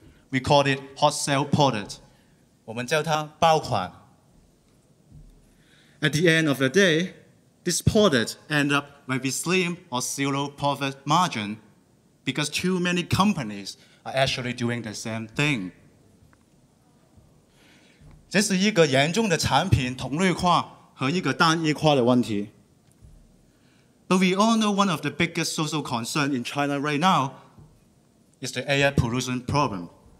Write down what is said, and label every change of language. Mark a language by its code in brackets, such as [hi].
[en] We call it hot sale product. [zh] 我们叫它爆款. [en] At the end of the day, this product ends up with a slim or zero profit margin because too many companies are actually doing the same thing. [zh] 这是一个严重的产品同类化和一个单一化的问题. [en] But we all know one of the biggest social concerns in China right now is the air pollution problem,